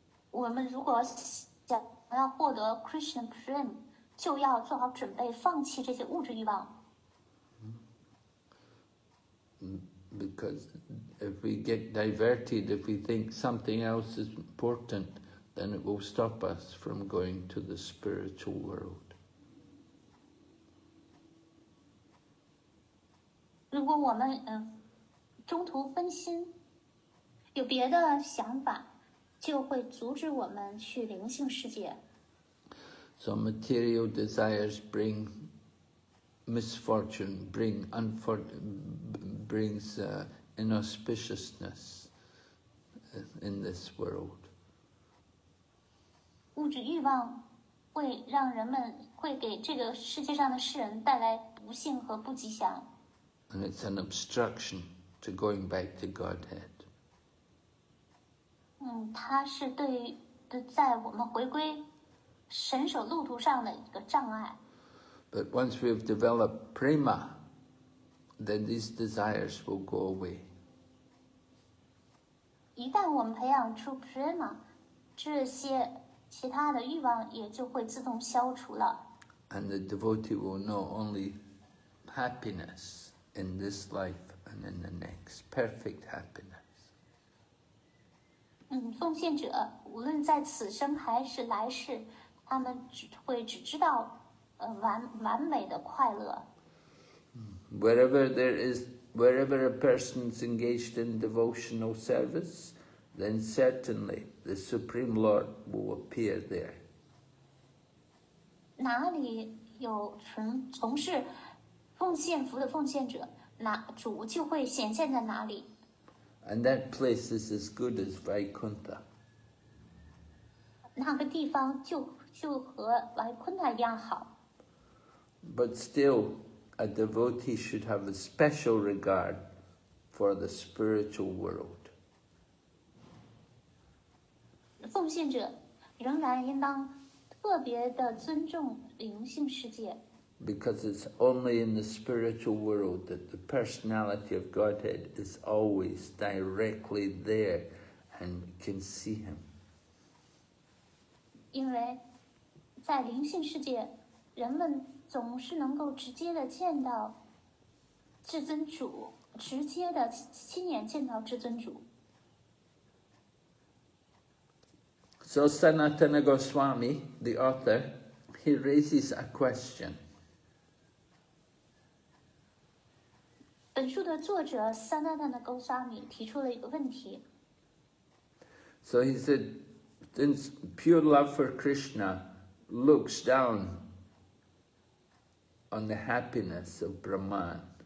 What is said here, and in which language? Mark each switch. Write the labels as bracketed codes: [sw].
[zh] 我们如果想要获得 Krishna Prem, 就要做好准备放弃这些物质欲望。 [en] Because if we get diverted, if we think something else is important, then it will stop us from going to the spiritual world. [zh] 如果我们中途分心，有别的想法，就会阻止我们去灵性世界。 [en] So material desires bring misfortune, brings inauspiciousness in this world. [zh] 物质欲望会让人们会给这个世界上的世人带来不幸和不吉祥。 [en] And it's an obstruction to going back to Godhead. [zh] 它是对在我们回归神守路途上的一个障碍。 [en] But once we've developed prema, then these desires will go away. [zh] 一旦我们培养出 prema, 这些其他的欲望也就会自动消除了。 [en] And the devotee will know only happiness in this life and in the next, perfect happiness. [zh] 奉献者无论在此生还是来世，他们只知道完美的快乐。 [en] Wherever a person is engaged in devotional service, then certainly the Supreme Lord will appear there. [zh] 哪里有从事奉献服的奉献者，那主就会显现在哪里。 [en] And that place is as good as Vaikuntha. [zh] 那个地方就和 Vaikuntha 一样好。 [en] But still, a devotee should have a special regard for the spiritual world. [zh] 奉献者仍然应当特别的尊重灵性世界。 [en] Because it's only in the spiritual world that the personality of Godhead is always directly there and can see him. [zh] 因为在灵性世界，人们总是能够直接的见到至尊主，直接的亲眼见到至尊主。 [en] So Sanatana Goswami, the author, he raises a question. [zh] 本书的作者 Sanatana Goswami 提出了一个问题。 [en] So he said, since pure love for Krishna looks down on the happiness of Brahman.